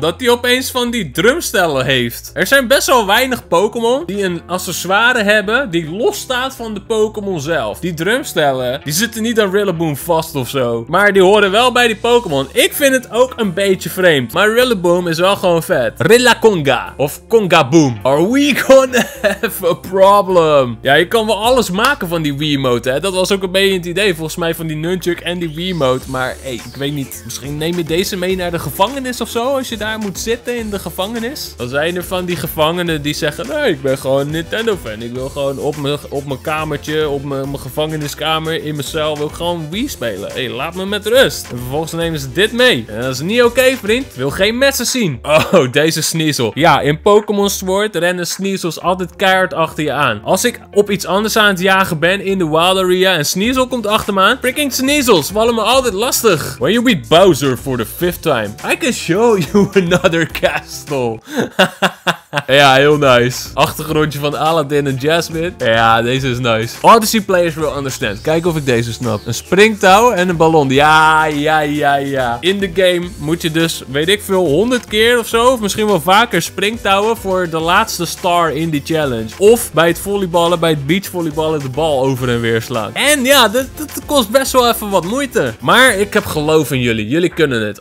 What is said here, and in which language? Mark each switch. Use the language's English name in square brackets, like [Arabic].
[Dutch] Dat hij opeens van die drumstellen heeft. Er zijn best wel weinig Pokémon die een accessoire hebben die losstaat van de Pokémon zelf. Die drumstellen, die zitten niet aan Rillaboom vast of zo. Maar die horen wel bij die Pokémon. Ik vind het ook een beetje vreemd. Maar Rillaboom is wel gewoon vet. Rillaconga of Congaboom. [English] Are we gonna have a problem? [Dutch] Ja, je kan wel alles maken van die Wiimote, hè. Dat was ook een beetje het idee, volgens mij, van die nunchuk en die Wiimote. Maar, hey, ik weet niet. Misschien neem je deze mee naar de gevangenis of zo, als je daar moet zitten in de gevangenis. Dan zijn er van die gevangenen die zeggen, nee, ik ben gewoon een Nintendo-fan. Ik wil gewoon op mijn kamertje, op mijn gevangeniskamer, in mijn cel, wil ik gewoon Wii spelen. Hey, laat me met rust. En vervolgens nemen ze dit mee. En dat is niet oké, okay, vriend. Wil geen mensen zien. Oh, deze Sneasel. Ja, in Pokémon Sword rennen Sneasels altijd keihard achter je aan. Als ik op iets anders aan het jagen ben in de Wild Area en Sneasel komt achter me aan. Freaking Sneasels vallen me altijd lastig. [English] When you beat Bowser for the fifth time, I can show you another castle. [Dutch] Ja, heel nice. Achtergrondje van Aladdin en Jasmine. Ja, deze is nice. [English] Odyssey players will understand. [Dutch] Kijk of ik deze snap. Een springtouw en een ballon. Ja, ja, ja, ja. In de game moet je dus, weet ik veel, 100 keer of zo, of misschien wel vaker, springtouwen voor de laatste star in die challenge. Of bij het volleyballen, bij het beachvolleyballen, de bal over en weer slaan. En ja, dat kost best wel even wat moeite. Maar ik heb geloof in jullie. Jullie kunnen het.